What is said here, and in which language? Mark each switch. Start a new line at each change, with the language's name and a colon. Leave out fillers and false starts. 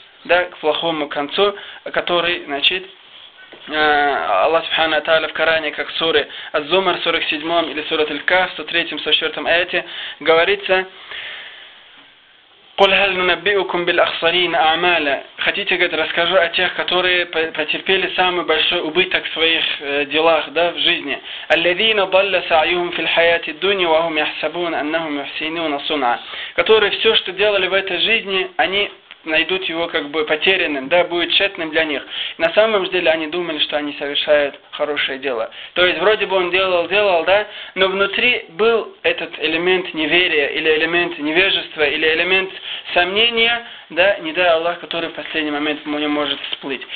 Russian: Да, к плохому концу, который, значит, Аллах Субхану Аталя в Коране, как в суре Аз-Зумар 47 или сурат Аль-Кахф 103-104 аяте, говорится:
Arabic: قل هل ننبئكم بالأخسرين أعمالا.
Russian: Хотите, говорит, расскажу о тех, которые потерпели самый большой убыток в своих делах, да, в жизни.
Arabic: الذين ضل سعيهم في الحياة الدنيا وهم يحسبون أنهم يحسنون صنعا.
Russian: Которые все, что делали в этой жизни, они найдут его как бы потерянным, да, будет тщетным для них. На самом деле они думали, что они совершают хорошее дело. То есть вроде бы он делал, делал, да, но внутри был этот элемент неверия, или элемент невежества, или элемент сомнения, да, не дай Аллах, который в последний момент у него может всплыть.